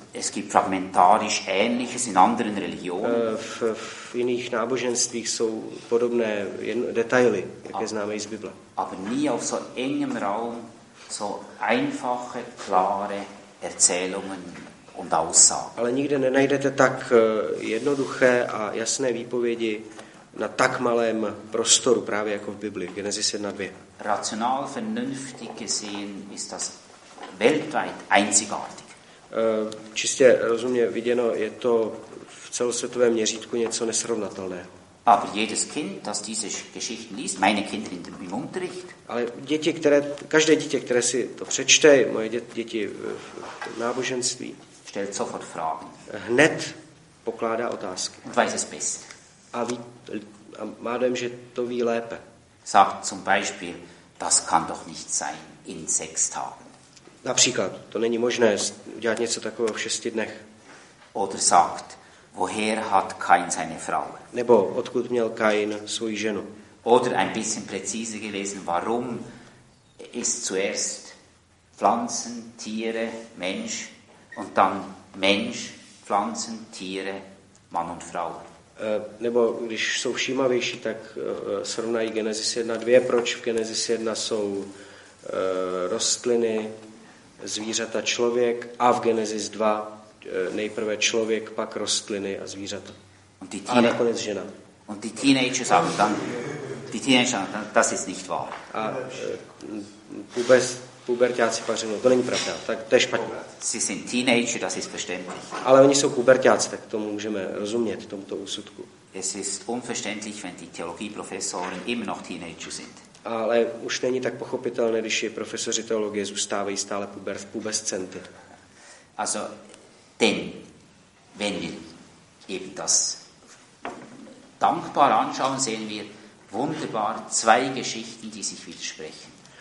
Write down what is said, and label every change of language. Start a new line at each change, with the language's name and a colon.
German: Es gibt fragmentarisch ähnliches in anderen Religionen.
Czech: V jiných náboženstvích jsou podobné detaily, jaké známe i z Bible.
German: Aber nie auf so engem Raum so einfache, klare Erzählungen und Aussagen.
Czech: Ale nikde nenajdete tak jednoduché a jasné výpovědi na tak malém prostoru, právě jako v Biblii, Genesis 1 a 2.
German: Rational vernünftig gesehen ist das weltweit einzigartig.
Czech: Čistě rozumně viděno, je to v celosvětovém měřítku něco nesrovnatelného.
German: Aber jedes Kind, das diese Geschichten liest, meine Kinder in dem Unterricht.
Czech: Ale děti, každé dítě, které si to přečte, moje děti v náboženství,
German: stellt sofort Fragen.
Czech: Hned pokládá otázky.
German: Und weiß es best.
Czech: A má dojem, že to ví lépe.
German: Sagt zum Beispiel, das kann doch nicht sein in 6 Tagen.
Czech: Například, to není možné udělat něco takového v 6 dnech.
German: Oder sagt, woher hat Kain seine Frau?
Czech: Nebo odkud měl Kain svou ženu?
German: Oder ein bisschen präziser gewesen, warum ist zuerst Pflanzen, Tiere, Mensch und dann Mensch, Pflanzen, Tiere, Mann und Frau?
Czech: Nebo když jsou všímavější, tak srovnají Genesis 1 a 2, proč v Genesis 1 jsou rostliny, zvířata, člověk a v Genesis 2 nejprve člověk, pak rostliny a zvířata.
German: Und die Teenager,
Czech: a nakonec žena.
German: Und die Teenager sagen dann, die Teenager, das ist nicht wahr.
Czech: A pubertáci pak řeknou, to není pravda, tak to je špatně.
German: Sie sind Teenager, das ist verständlich.
Czech: Ale oni jsou pubertáci, tak tomu můžeme rozumět, tomuto úsudku.
German: Es ist unverständlich, wenn die Theologieprofessoren immer noch Teenager sind.
Czech: Ale už není tak pochopitelné, když je profesoři teologie zůstávají stále pubescenty.
German: Also, denn, wenn wir eben das dankbar anschauen, sehen wir wunderbar zwei Geschichten, die sich widersprechen.